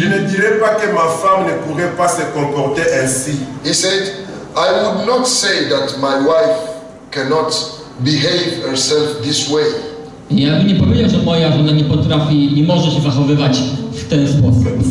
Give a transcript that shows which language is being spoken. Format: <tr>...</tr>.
<fr>je ne dirais pas que ma femme ne pourrait pas se comporter ainsi.</fr> <en>He said, I would not say that my wife cannot behave herself this way.</en> <pl>Ja bym nie powiedział, że moja żona nie potrafi, nie może się zachowywać w ten sposób.</pl>